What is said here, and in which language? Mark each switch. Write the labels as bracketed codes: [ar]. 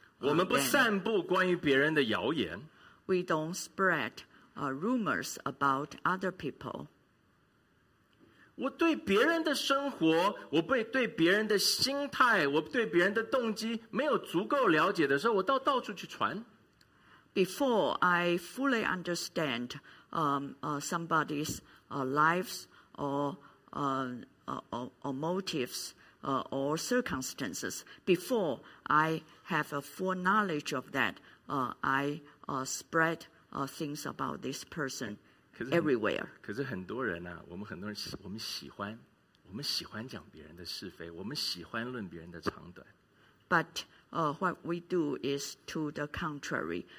[zh] 我们不散布关于别人的谣言。 [en] We don't spread rumors about other people. [zh] 我对别人的生活，我对别人的心态，我对别人的动机没有足够了解的时候，我到处去传。 [en] Before I fully understand somebody's lives or motives or circumstances, before I have a full knowledge of that, I spread things about this person. Everywhere. [zh] 可是很多人啊，我们很多人，我们喜欢讲别人的是非，我们喜欢论别人的长短。 [en] But what we do is to the contrary.